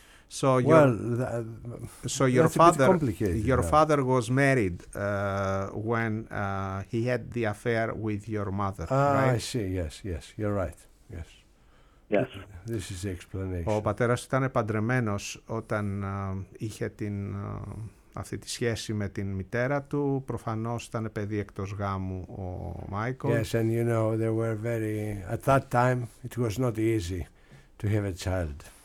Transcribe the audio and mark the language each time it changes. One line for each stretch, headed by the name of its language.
English: So your father was married when he had the affair with your mother. I see. Yes, you're right. Yes. Yes. This is the explanation.
Greek: Ο πατέρας ήταν παντρεμένος όταν είχε την αυτή τη σχέση με την μητέρα του. Προφανώς ήταν παιδί εκτός γάμου ο Μάικλ.
English: Yes, and you know they were very at that time it was not easy to have a child.